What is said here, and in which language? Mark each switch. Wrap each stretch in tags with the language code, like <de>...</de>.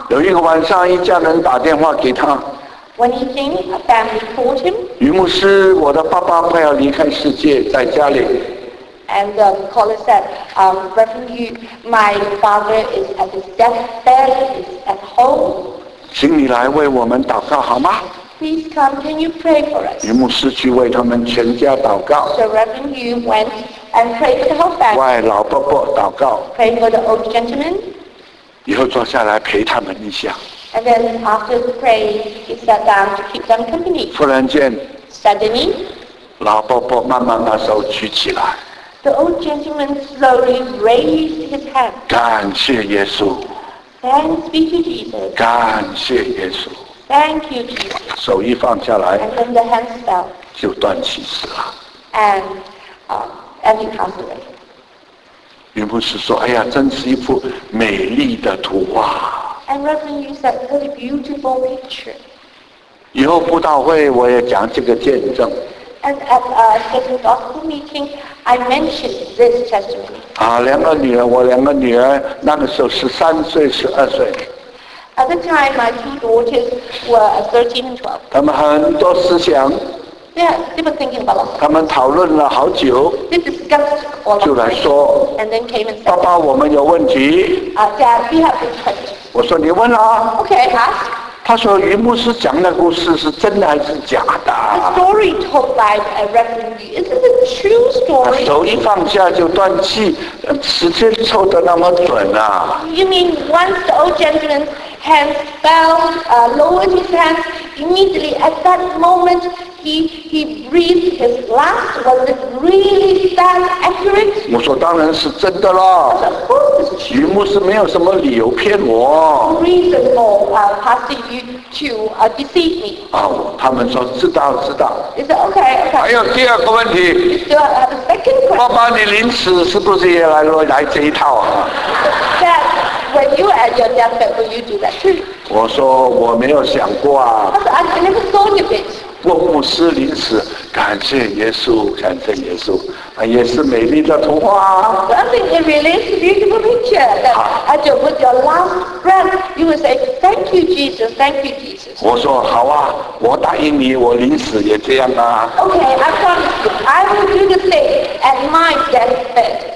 <zh>有一个晚上一家人打电话给他</zh> <en>When he came, a family called him.</en> <zh>余牧师我的爸爸快要离开世界在家里</zh> <en>And the caller said, Reverend Yu, my father is at his deathbed, he's at home.</en> <zh>请你来为我们祷告好吗？</zh> <en>Please come, can you pray for us?</en> <zh>于牧师去为他们全家祷告。</zh> <en>So Reverend Yu went and prayed for the whole family.</en> <zh>为老伯伯祷告。</zh> <en>Pray for the old gentleman.</en> <zh>以后坐下来陪他们一下。</zh> <en>And then after the prayer, he sat down to keep them company.</en> <zh>突然间。</zh> <en>Suddenly.</en> <zh>老伯伯慢慢把手举起来。</zh> <en>The old gentleman slowly raised his hand.</en> <zh>感谢耶稣。</zh> <en>Thanks be to Jesus.</en> <zh>感谢耶稣。</zh> <en>Thank you, Jesus.</en> <zh>手一放下来</zh> <en>and then the hands fell.</en> <zh>就断气死了</zh> <en>and he passed away.</en> <zh>于牧师说哎呀真是一幅美丽的图画</zh> <en>and Reverend Yu said what a beautiful picture.</en> <zh>以后辅导会我也讲这个见证</zh> <en>and at a second gospel meeting, I mentioned this testimony.</en> <zh>啊两个女儿我两个女儿那个时候13岁12岁</zh> <en>At the time, my two daughters were 13 and 12.</en> <zh>他们很多思想。</zh> <en>They were thinking about it.</en> <zh>他们讨论了好久。</zh> <en>They discussed all of it.</en> <zh>就来说。</zh> <en>And then came and said,</en> <zh>爸爸，我们有问题。</zh> <en>Dad, we have this question.</en> <zh>我说你问啊。</zh> <en>Okay, ask.</en> <zh>他说于牧师讲的故事是真的还是假的？</zh> <en>The story told by a Reverend Yu, is it a true story?</en> <zh>手一放下就断气，时间凑得那么准啊。</zh> <en>You mean once the old gentleman hands fell, lowered his hands, immediately at that moment he breathed his last. Was it really that accurate?</en> <zh>我说当然是真的啦。于牧师没有什么理由骗我。</zh> <en>No reason for Pastor Yu to deceive me.</en> <zh>啊，他们说知道知道。</zh> <en>Is it okay? Okay.</en> <zh>还有第二个问题。</zh> <en>Do I have a second question?</en> <zh>爸爸，你临死是不是也来这一套啊？</zh> <en>When you were at your deathbed, will you do that too?</en> <zh>我说我没有想过啊。</zh> <en>But I never thought of it.</en> <zh>我牧师临死，感谢耶稣，感谢耶稣，啊，也是美丽的图画。</zh> <en>I think it really is a beautiful picture. That as you put your last breath, you will say, "Thank you, Jesus. Thank you, Jesus."</en> <zh>我说好啊，我答应你，我临死也这样啊。</zh> <en>Okay, I promise you, I will do the same at my deathbed.</en>